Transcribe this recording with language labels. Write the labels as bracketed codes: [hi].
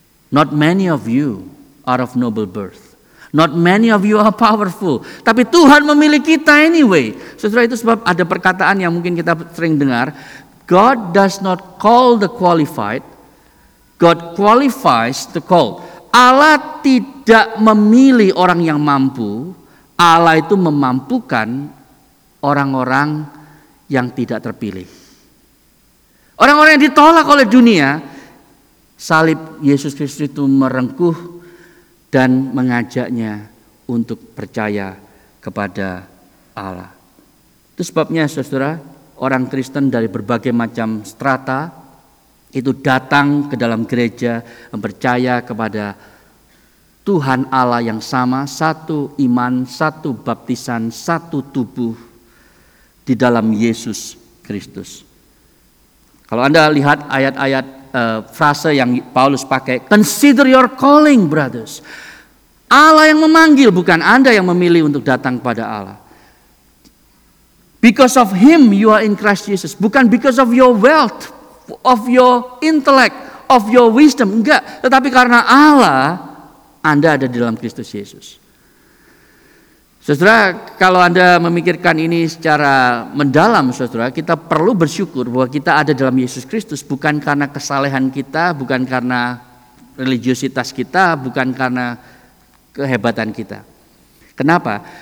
[en] Not many of you are of noble birth. Not many of you are powerful. [id] Tapi Tuhan memilih kita anyway. Saudara, itu sebab ada perkataan yang mungkin kita sering dengar. [en] God does not call the qualified. God qualifies the called. [id] Allah tidak memilih orang yang mampu. Allah itu memampukan orang-orang yang tidak terpilih. Orang-orang yang ditolak oleh dunia. Salib Yesus Kristus itu merengkuh dan mengajaknya untuk percaya kepada Allah. Itu sebabnya, saudara, orang Kristen dari berbagai macam strata itu datang ke dalam gereja mempercaya kepada Tuhan Allah yang sama, satu iman, satu baptisan, satu tubuh di dalam Yesus Kristus. Kalau Anda lihat ayat-ayat frasa yang Paulus pakai, [en] consider your calling, brothers. [id] Allah yang memanggil, bukan Anda yang memilih untuk datang kepada Allah. [en] Because of him you are in Christ Jesus. [id] Bukan [en] because of your wealth, of your intellect, of your wisdom. [id] Enggak, tetapi karena Allah, Anda ada di dalam Kristus Yesus. Saudara, kalau Anda memikirkan ini secara mendalam, saudara, kita perlu bersyukur bahwa kita ada dalam Yesus Kristus. Bukan karena kesalehan kita, bukan karena religiositas kita, bukan karena kehebatan kita. Kenapa?